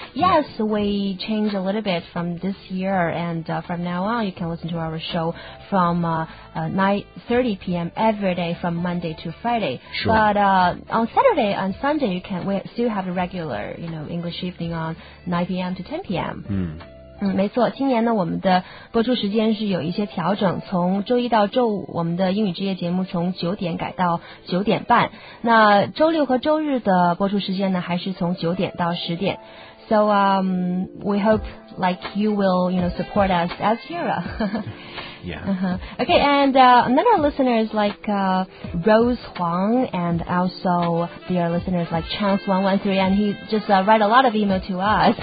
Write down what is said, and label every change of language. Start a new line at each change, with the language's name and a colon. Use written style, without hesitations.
English: Yes, we changed a little bit from this year, and from now on, you can listen to our show from 9:30 p.m. every day from Monday to Friday. Sure. But on Saturday and Sunday, you can still have a regular, you know, English evening on 9 p.m. to 10 p.m. Mm.
Chinese: 嗯，没错，今年呢我们的播出时间是有一些调整，从周一到周五我们的英语之夜节目从九点改到九点半，那周六和周日的播出时间呢还是从九点到十点。
English: So we hope like you will, you know, support us as Hira. Yeah. Uh-huh. Okay, and another listeners like Rose Huang, and also dear listeners like Chance 113, and he just write a lot of email to us.